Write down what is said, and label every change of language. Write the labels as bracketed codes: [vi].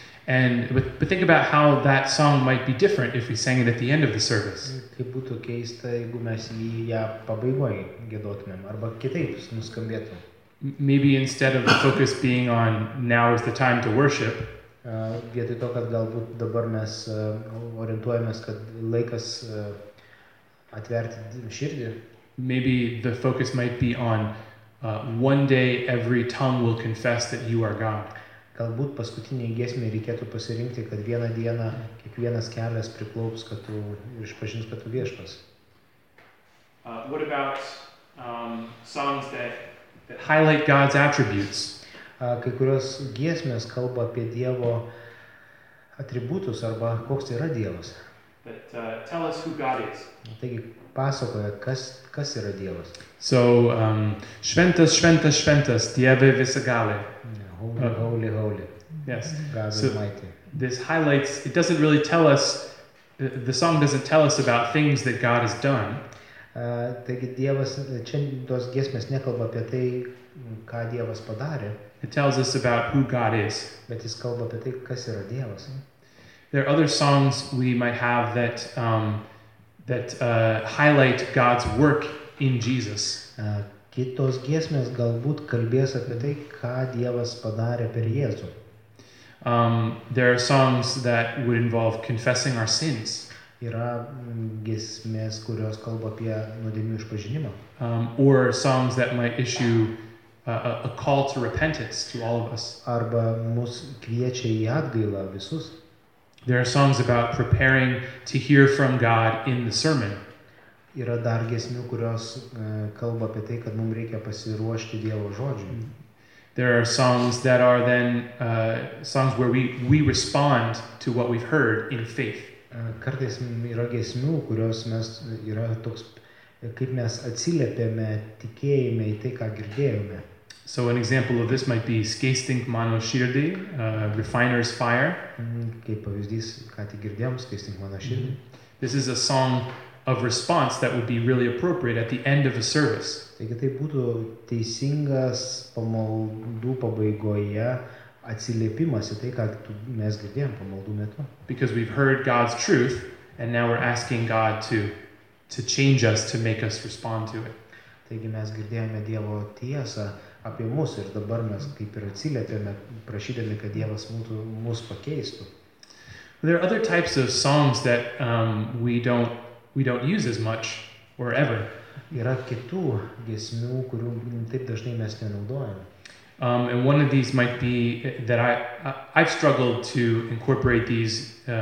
[en] And but think about how that song might be different if we sang it at the end of the service. [lt] Kaip būtų keista, jeigu mes jį ją pabaigoje giedotumėm arba kitaip nuskambėtų. [en] Maybe instead of the focus being on now is the time to worship, [lt] vietoj to, kad galbūt dabar mes orientuojamės, kad laikas atverti širdį. [en] Maybe the focus might be on one day every tongue will confess that you are God. [lt] Galbūt paskutinį giesmę reikėtų pasirinkti, kad vieną dieną kiekvienas kelias priklaups, kad tu išpažins, kad tu viešpas. [en] What about songs that highlight God's attributes? [lt] Kai kurios giesmės kalba apie Dievo atributus arba koks yra Dievas. [en] But tell us who God is. [lt] Taigi, pasakoja, kas yra Dievas. So, šventas, šventas, šventas, Dieve visagali. [en] Holy, holy, holy. Yes. God so Almighty. This highlights, it doesn't really tell us, the song doesn't tell us about things that God has done. [lt] Taigi Dievas čia tos giesmės nekalba apie tai, ką Dievas padarė. [en] It tells us about who God is. [lt] Bet jis kalba apie tai, kas yra Dievas. [en] There are other songs we might have that highlight God's work in Jesus. [lt] Kitos giesmės galbūt kalbės apie tai, ką Dievas padarė per Jėzų. [en] There are songs that would involve confessing our sins. [lt] Yra giesmės, kurios kalba apie nuodėmių išpažinimą. [en] Or songs that might issue a call to repentance to all of us. [lt] Arba mus kviečia į atgailą visus. [en] There are songs about preparing to hear from God in the sermon. [lt] Yra dar giesmių, kurios kalba apie tai, kad mums reikia pasiruošti Dievo žodžiui. [en] There are songs that are then songs where we respond to what we've heard in faith. [lt] Kartais yra giesmių, kurios mes yra toks, kaip mes atsiliepėme tikėjime į tai, ką girdėjome. [en] So an example of this might be Skaistink mano širdį, Refiner's Fire. [lt] Kaip pavyzdys, ką tik girdėjom, Skaistink mano širdį. [en] This is a song of response that would be really appropriate at the end of a service. [lt] Taigi tai būtų teisingas pamaldų pabaigoje atsiliepimas į tai, ką mes girdėjom pamaldų metu. [en] Because we've heard God's truth and now we're asking God to change us, to make us respond to it. [lt] Taigi mes girdėjome Dievo tiesą apie mus ir dabar mes kaip ir atsiliepėme, prašydami, kad Dievas mus pakeistų. [en] There are other types of songs that we don't use as much or ever. [lt] Yra kitų giesmių, kurių taip dažnai mes nenaudojame. [en] And one of these might be that I've struggled to incorporate these